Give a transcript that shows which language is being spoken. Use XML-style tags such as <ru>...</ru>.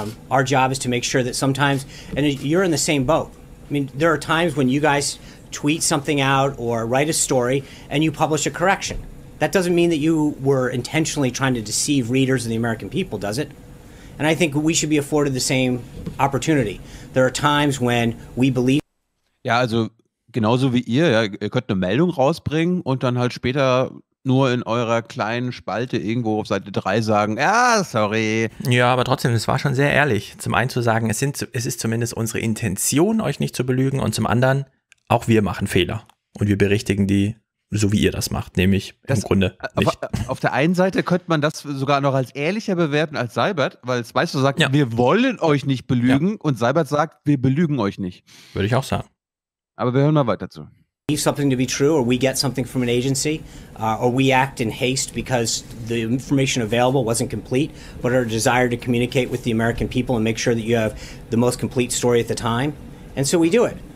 <en>Our job is to make sure that sometimes, and you're in the same boat. I mean, there are times when you guys tweet something out or write a story and you publish a correction. That doesn't mean that you were intentionally trying to deceive readers and the American people, does it? And I think we should be afforded the same opportunity. There are times when we believe.</en> <de>Ja, also genauso wie ihr, ja, ihr könnt eine Meldung rausbringen und dann halt später nur in eurer kleinen Spalte irgendwo auf Seite 3 sagen, ja, sorry. Ja, aber trotzdem, es war schon sehr ehrlich. Zum einen zu sagen, es ist zumindest unsere Intention, euch nicht zu belügen. Und zum anderen, auch wir machen Fehler. Und wir berichtigen die, so wie ihr das macht, nämlich das, im Grunde nicht. Auf der einen Seite könnte man das sogar noch als ehrlicher bewerten als Seibert, weil Spicer sagt, wir wollen euch nicht belügen. Ja. Und Seibert sagt, wir belügen euch nicht. Würde ich auch sagen. Aber wir hören mal weiter zu.</de> <en>Believe something to be true, or we get something from an agency, or we act in haste because the information available wasn't complete, but our desire to communicate with the American people and make sure that you have the most complete story at the time, and so we do it.</en>